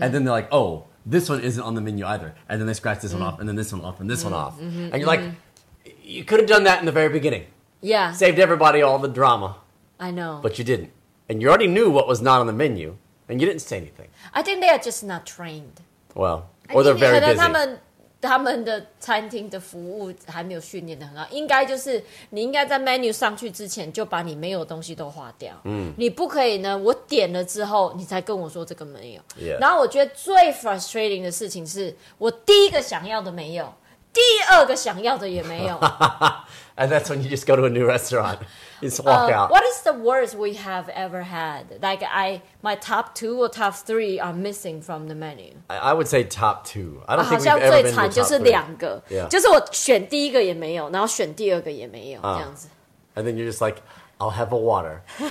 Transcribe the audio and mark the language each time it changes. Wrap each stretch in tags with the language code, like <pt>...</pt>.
<en>And then they're like, oh, this one isn't on the menu either. And then they scratch this、mm-hmm. one off, and then this one off, and this、 mm-hmm. one off.、 Mm-hmm. And you're、mm-hmm. like, you could have done that in the very beginning. Yeah. Saved everybody all the drama. I know. But you didn't. And you already knew what was not on the menu, and you didn't say anything. I think they are just not trained. Well, or they're very busy.</en> <zh>可能他们的餐厅的服务还没有训练得很好。应该就是你应该在 menu 上去之前就把你没有东西都划掉。嗯。你不可以呢，我点了之后你才跟我说这个没有。</zh> <en>Yeah.</en> <zh>然后我觉得最 frustrating 的事情是我第一个想要的没有，第二个想要的也没有。</zh> <en>And that's when you just go to a new restaurant. Just walk out. What is the worst we have ever had? Like, my top two or top three are missing from the menu. I would say top two. I don't think we've ever been to the top three.</en> <zh>好像最惨就是两个。</zh> <en>Yeah.</en> <zh>就是我选第一个也没有，然后选第二个也没有，这样子。</zh> <en>And then you're just like, I'll have a water.</en>